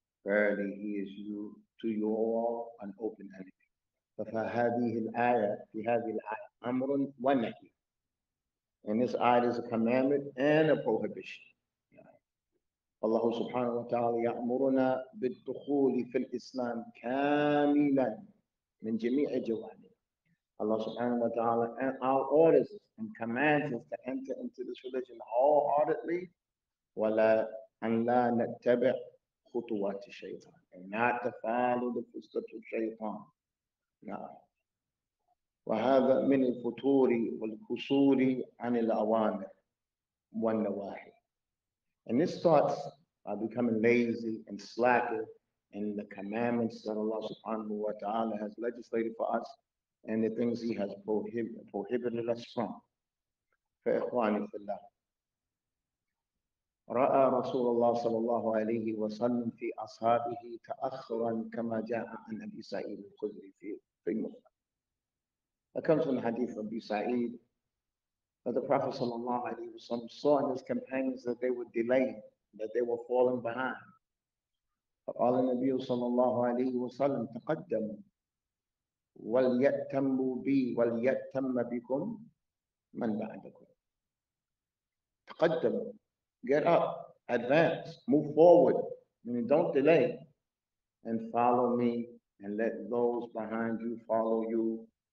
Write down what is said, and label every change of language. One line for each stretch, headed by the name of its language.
English: Verily, he is to you all an open enemy.
Arabic: فهذه الآية في هذه الآية أمر ونهي.
English: And this ayah is a commandment and a prohibition.
Arabic: الله سبحانه وتعالى يأمرنا بالدخول في الإسلام كاملا من جميع جوانب.
English: Allah subhanahu wa ta'ala and our orders and commands us to enter into this religion wholeheartedly.
Arabic: وَلَا نَتَّبِعْ خُطُوَاتِ الشَّيْطَانِ
English: And not to follow the footsteps of shaitan.
Arabic: وَهَذَا مِنِ الْفُتُورِ وَالْكُسُورِ عَنِ الْأَوَامِرِ وَالنَّوَاهِي
English: And this starts by becoming lazy and slacker in the commandments that Allah subhanahu wa ta'ala has legislated for us and the things He has prohibited us from.
Arabic: فإخواني في الله، رأى رسول الله صلى الله عليه وسلم في أصحابه تأخرا كما جاء عن أبي سعيد الخدري في المصحف.
English: It comes from the hadith of Abu Sa'id that the Prophet sallallahu alaihi wasallam saw in his companions that they were delaying, that they were falling behind.
Arabic: فقال النبي صلى الله عليه وسلم تقدموا وليتموا بي وليتم بكم من بعدكم.
English: تقدموا, get up, advance, move forward, meaning don't delay, and follow me and let those behind you follow you.